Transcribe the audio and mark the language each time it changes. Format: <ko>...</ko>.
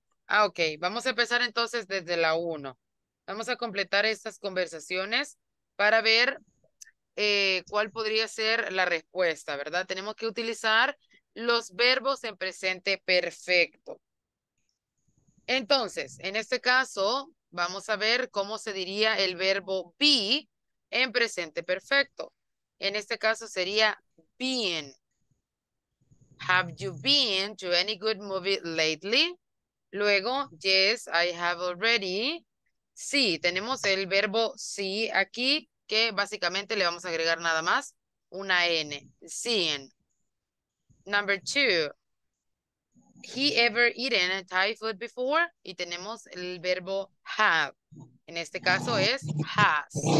<es>Ah, ok, vamos a empezar entonces desde la 1. Vamos a completar estas conversaciones para ver cuál podría ser la respuesta, ¿verdad? Tenemos que utilizar los verbos en presente perfecto. Entonces, en este caso, vamos a ver cómo se diría el verbo be en presente perfecto. En este caso sería been.</es> <en>Have you been to any good movie lately? Luego, yes, I have already.</en> <es>Sí, tenemos el verbo sí aquí, que básicamente le vamos a agregar nada más una N.</es> <en>Seen. Number two. He ever eaten Thai food before?</en> <es>Y tenemos el verbo have. En este caso es has.</es>